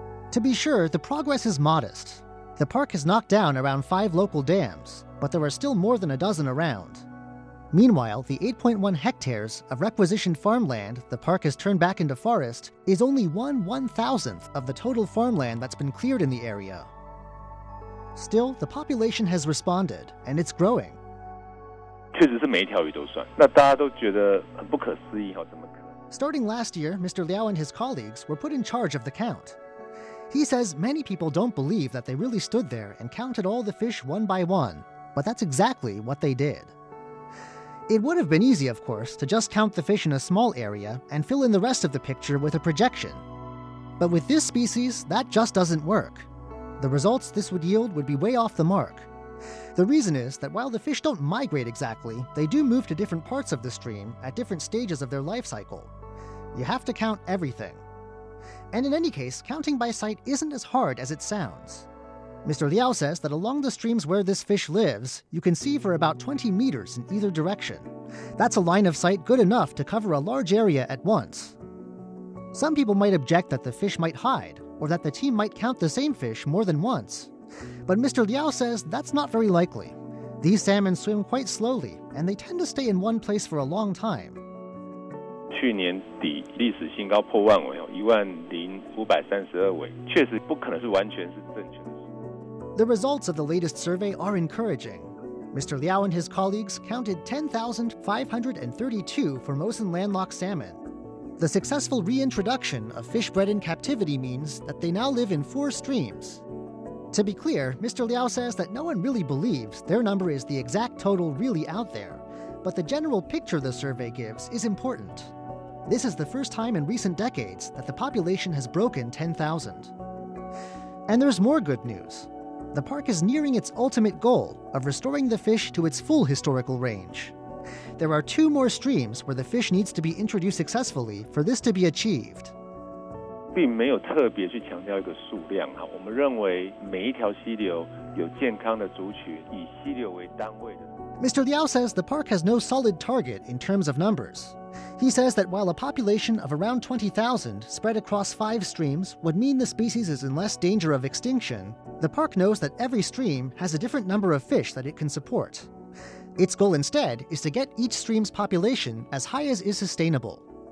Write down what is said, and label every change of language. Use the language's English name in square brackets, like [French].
[English] To be sure, the progress is modest. The park has knocked down around 5 local dams, but there are still more than a dozen around. Meanwhile, the 8.1 hectares of requisitioned farmland the park has turned back into forest is only 1/1,000th of the total farmland that's been cleared in the area. Still, the population has responded, and it's growing. [Chinese] 确实是每一条鱼都算，那大家都觉得很不可思议，怎么可能？ [English] Starting last year, Mr. Liao and his colleagues were put in charge of the count. He says many people don't believe that they really stood there and counted all the fish one by one, but that's exactly what they did. It would have been easy, of course, to just count the fish in a small area and fill in the rest of the picture with a projection. But with this species, that just doesn't work. The results this would yield would be way off the mark. The reason is that while the fish don't migrate exactly, they do move to different parts of the stream at different stages of their life cycle. You have to count everything. And in any case, counting by sight isn't as hard as it sounds. Mr. Liao says that along the streams where this fish lives, you can see for about 20 meters in either direction. That's a line of sight good enough to cover a large area at once. Some people might object that the fish might hide, or that the team might count the same fish more than once. But Mr. Liao says that's not very likely. These salmon swim quite slowly, and they tend to stay in one place for a long time. [Chinese] 去年底历史新高破万尾，10,532尾，确实不可能是完全是正确的。 [English] The results of the latest survey are encouraging. Mr. Liao and his colleagues counted 10,532 Formosan landlocked salmon. The successful reintroduction of fish bred in captivity means that they now live in 4 streams. To be clear, Mr. Liao says that no one really believes their number is the exact total really out there, but the general picture the survey gives is important. This is the first time in recent decades that the population has broken 10,000. And there's more good news. the park is nearing its ultimate goal of restoring the fish to its full historical range. There are two more streams where the fish needs to be introduced successfully for this to be achieved. [Chinese] 并没有特别去强调一个数量，我们认为每一条溪流有健康的族群，以溪流为单位的。 [English] Mr. Liao says the park has no solid target in terms of numbers. He says that while a population of around 20,000 spread across five streams would mean the species is in less danger of extinction, the park knows that every stream has a different number of fish that it can support. Its goal instead is to get each stream's population as high as is sustainable.